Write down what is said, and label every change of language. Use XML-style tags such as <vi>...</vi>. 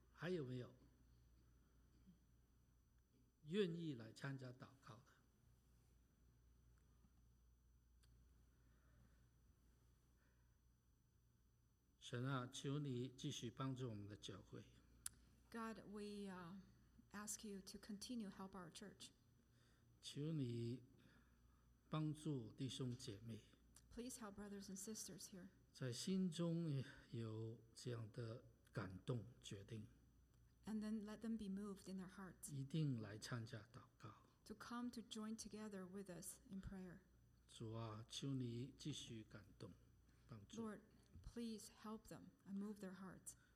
<zh>还有没有愿意来参加祷告？神啊，求你继续帮助我们的教会。</zh> <en>God, we ask you to continue help our church.</en> <zh>求你帮助弟兄姐妹。</zh> <en>Please help brothers and sisters here.</en> <zh>在心中有这样的感动决定。</zh> <en>And then let them be moved in their hearts.</en> <zh>一定来参加祷告。</zh> <en>To come to join together with us in prayer.</en> <zh>主啊，求你继续感动帮助。</zh> <en>Lord,Please help them and move their hearts.</en>